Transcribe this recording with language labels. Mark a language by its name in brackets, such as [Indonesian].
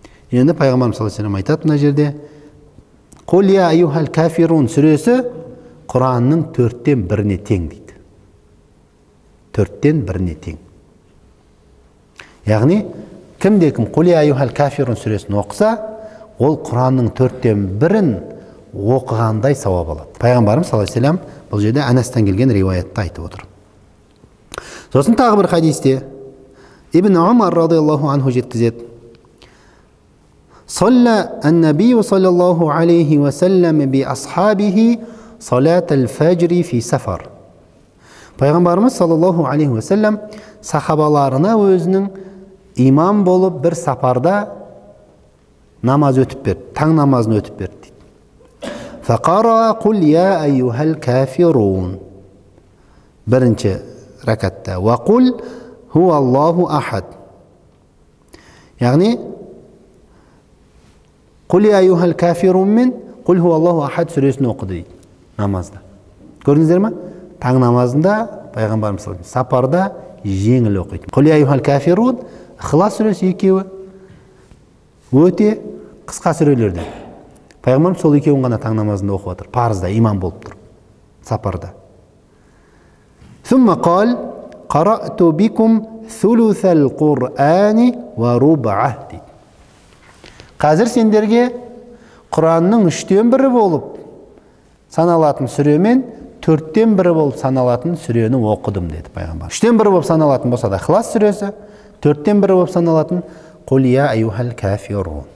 [Kazakh] Енді пайғамбарым саллаллаху алейхи ва саллям айтады мына жерде: "Қул я айюхал кафирун" сүресі Құранның төрттен біріне тең дейді. Төрттен біріне тең. Яғни кімде кім "Қул я айюхал кафирун" сүресін оқыса, ол Құранның төрттен бірін оқығандай сауап алады. Пайғамбарым саллаллаху алейхи ва саллям бұл жерде Анастан келген риуаятты айтып отыр. Сосын тағы бір хадисте Ибн Умар радиаллаху анху жеткізеді: [Arabic] صلى النبي صلى الله عليه وسلم بأصحابه صلاة الفجر في سفر. Пайғамбарымыз саллаллаху алейхи ва саллям сахабаларына өзінің имам болып бір сапарда намаз өтіп берді, таң намазын өтіп берді дейді. فقرأ قل يا أيها الكافرون. [Kazakh] Бірінші рәкатта [Arabic] وقل هو الله أحد. [Kazakh] Яғни [Arabic] قل يا أيها الكافرون من قل هو الله أحد [Kazakh] сүресін оқыды дейді намазда. Көрдіңіздер ма? Таң намазында пайғамбарымыз сапарда жеңіл оқиды. [Arabic] قل يا أيها الكافرون [Kazakh] Ихлас сүресі екеуі өте қысқа сүрелерде. Пайғамбарымыз сол екеуін ғана таң намазында оқып отыр. Парызда имам болып тұр сапарда. [Arabic] ثم قال قرأت بكم ثلث القرآن وربعه. [Kazakh] Қазір сендерге Құранның үштен бірі болып саналатын сүремен төрттен бірі болып саналатын сүрені оқыдым деді пайғамбар. Үштен бірі болып саналатын болса да Ихлас сүресі, төрттен бірі болып саналатын Қул я айюхал кафирун.